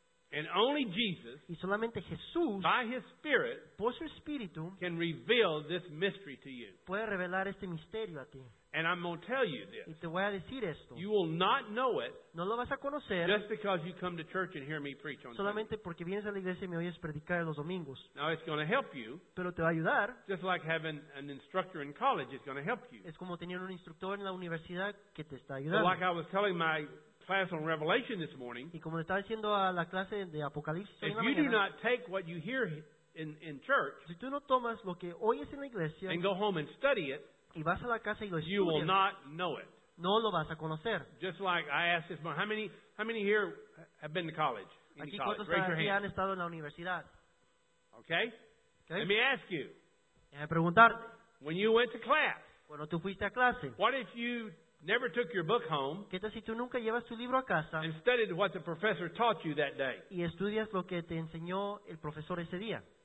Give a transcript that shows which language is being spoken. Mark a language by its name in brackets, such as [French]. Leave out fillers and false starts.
[English] And only Jesus, [Spanish] y solamente Jesús, [English] by His Spirit, [Spanish] por su espíritu, [English] can reveal this mystery to you. [Spanish] Puede revelar este misterio a ti. [English] And I'm going to tell you this. [Spanish] Y te voy a decir esto. [English] You will not know it. [Spanish] No lo vas a conocer. [English] Just because you come to church and hear me preach on. [Spanish] Solamente [English] Sunday. [Spanish] Porque vienes a la iglesia y me oyes predicar los domingos. [English] Now it's going to help you. [Spanish] Pero te va a ayudar. [English] Just like having an instructor in college is going to help you. [Spanish] Es como tener un instructor en la universidad que te está ayudando. [English] So like I was telling my class on Revelation this morning. [Spanish] Y como le estaba diciendo a la clase de Apocalipsis en la mañana. [English] If you do not take what you hear in church. [Spanish] Si tú no tomas lo que oyes en la iglesia. [English] And go home and study it. [Spanish] Y vas a la casa y lo estudias. [English] You will not know it. [Spanish] No lo vas a conocer. [English] Just like I asked this morning, how many here have been to college? [Spanish] Aquí cuántos [English] raise your hand. [Spanish] Han estado en la universidad. Okay. Okay. [English] Let me ask you. [Spanish] Déjame preguntarte. [English] When you went to class. [Spanish] Cuando tú fuiste a clase. [English] What if you never took your book home? [Spanish] ¿Qué tal si tú nunca llevas tu libro a casa? [English] And studied what the professor taught you that day. [Spanish] Y estudias lo que te enseñó el profesor ese día.